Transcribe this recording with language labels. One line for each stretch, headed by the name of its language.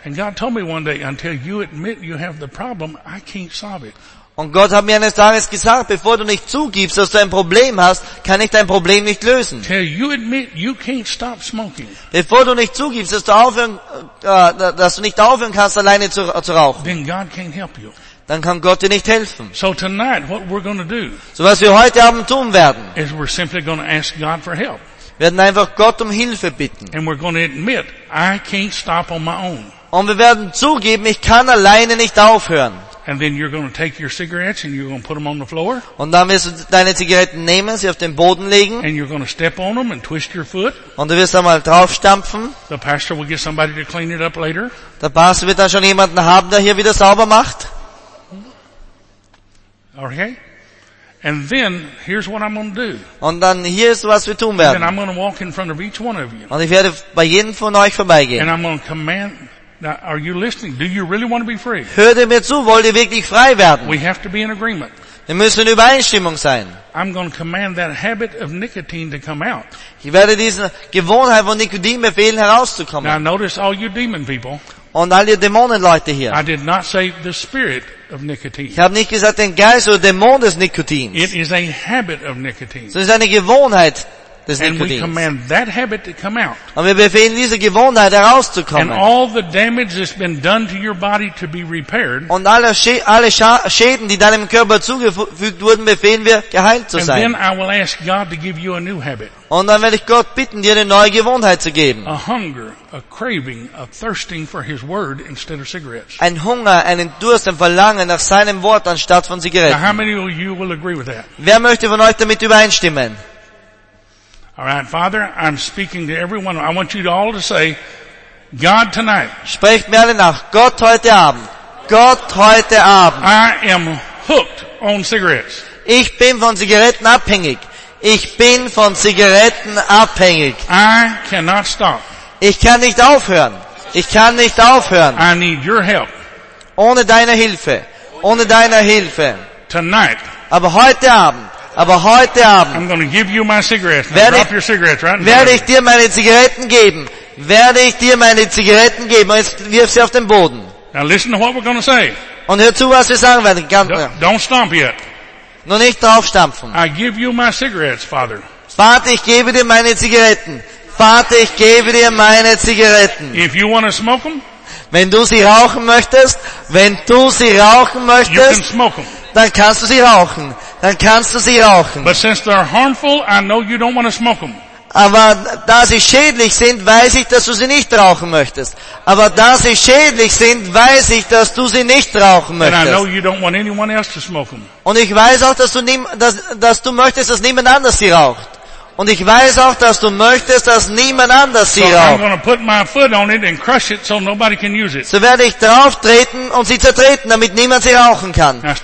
English: And God told me one day, until you admit you have the problem, I can't solve it.
German: Und Gott hat mir eines Tages gesagt, bevor du nicht zugibst, dass du ein Problem hast, kann ich dein Problem nicht lösen.
English: You admit you can't stop smoking,
German: bevor du nicht zugibst, dass du nicht aufhören kannst, alleine zu rauchen,
English: then God can't help you.
German: Dann kann Gott dir nicht helfen.
English: So, tonight, what we're gonna do,
German: so was wir heute Abend tun werden,
English: is we're simply gonna ask God for help.
German: Wir werden einfach Gott um Hilfe bitten.
English: And we're gonna admit, I can't stop on my own.
German: Und wir werden zugeben, ich kann alleine nicht aufhören.
English: And then you're going to take your cigarettes and you're going to put them on the floor.
German: Und dann wirst du deine Zigaretten nehmen, sie auf den Boden legen.
English: And you're going to step on them and twist your foot.
German: Und du wirst einmal drauf stampfen.
English: The pastor will get somebody to clean it up later.
German: Der Pastor wird dann schon jemanden haben, der hier wieder sauber macht.
English: Okay. And then here's what I'm going to do.
German: Und dann hier ist, was wir tun werden.
English: And then I'm going to walk in front of each one of you.
German: Und ich werde bei jedem von euch vorbeigehen.
English: And I'm going to command. Now, are you listening? Do you really want to be free?
German: Hört ihr mir zu? Wollt ihr wirklich frei werden?
English: We have to be in agreement.
German: Wir müssen in Übereinstimmung sein.
English: I'm going to command that habit of nicotine to come out.
German: Ich werde diese Gewohnheit von Nikotin befehlen, herauszukommen.
English: Now, notice all you demon people.
German: Und all ihr Dämonenleute hier.
English: I did not say the spirit of nicotine.
German: Ich habe nicht gesagt den Geist oder Dämon des Nikotins.
English: It is a habit of nicotine.
German: Es ist eine Gewohnheit.
English: And we command that habit to come out.
German: Und wir befehlen diese Gewohnheit herauszukommen.
English: And all the damage that's been done to your body to be repaired.
German: Und alle Schäden, die deinem Körper zugefügt wurden, befehlen wir geheilt zu sein.
English: And then I will ask God to give you a new habit.
German: Und dann werde ich Gott bitten, dir eine neue Gewohnheit zu geben.
English: A hunger, a craving, a thirsting for His word instead of cigarettes.
German: Ein Hunger, einen Durst, ein Verlangen nach seinem Wort anstatt von Zigaretten.
English: Now, how many of you will agree with that?
German: Wer möchte von euch damit übereinstimmen?
English: All right, Father, I'm speaking to everyone. I want you all to say, God tonight.
German: Sprecht mir alle nach. Gott heute Abend. Gott heute Abend.
English: I am hooked on cigarettes.
German: Ich bin von Zigaretten abhängig. Ich bin von Zigaretten abhängig.
English: I cannot stop.
German: Ich kann nicht aufhören. Ich kann nicht aufhören.
English: I need your help.
German: Ohne deine Hilfe. Ohne deine Hilfe.
English: Tonight.
German: Aber heute Abend. Aber heute Abend,
English: I'm going to give you my cigarettes. Now drop your cigarettes right now.
German: Werde ich dir meine Zigaretten geben? Werde ich dir meine Zigaretten geben? Jetzt wirf sie auf den Boden.
English: Now listen to what we're going to say.
German: Und hör zu, was wir sagen werden.
English: Don't stomp yet.
German: Noch nicht draufstampfen.
English: I give you my cigarettes, Father.
German: Vater, ich gebe dir meine Zigaretten. Vater, ich gebe dir meine Zigaretten.
English: If you want to smoke them,
German: wenn du sie rauchen möchtest,
English: you can smoke them.
German: Dann kannst du sie rauchen. Dann kannst du sie rauchen.
English: But since they're harmful, I know you don't want to smoke them.
German: Aber da sie schädlich sind, weiß ich, dass du sie nicht rauchen möchtest.
English: And I know you don't want anyone else to smoke them.
German: Und ich weiß auch, dass du möchtest, dass niemand anders sie raucht. Und ich weiß auch, dass du möchtest, dass niemand anders sie raucht.
English: I'm going to put my foot on it and crush it so nobody can use it.
German: So werde ich drauftreten und sie zertreten, damit niemand sie rauchen kann.